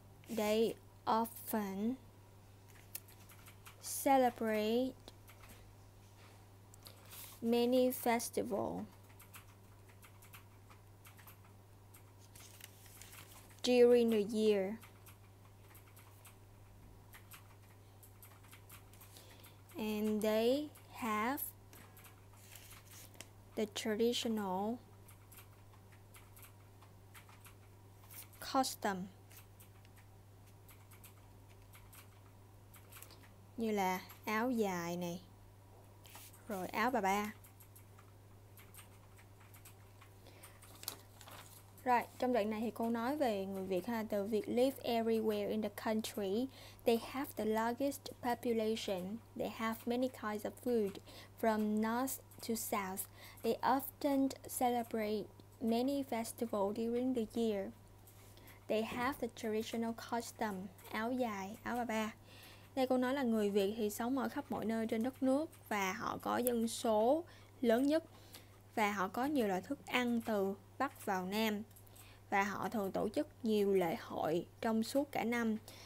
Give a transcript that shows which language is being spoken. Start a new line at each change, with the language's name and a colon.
English: They often celebrate many festivals during the year. And they have the traditional custom
Vietnamese: như là áo dài này, rồi áo bà ba. Right, trong đoạn này thì cô nói về người Việt ha.
English: The Việt live everywhere in the country. They have the largest population. They have many kinds of food from north to south. They often celebrate many festivals during the year. They have the traditional custom. Áo dài, áo bà ba.
Vietnamese: Đây cô nói là người Việt thì sống ở khắp mọi nơi trên đất nước và họ có dân số lớn nhất và họ có nhiều loại thức ăn từ Bắc vào Nam và họ thường tổ chức nhiều lễ hội trong suốt cả năm.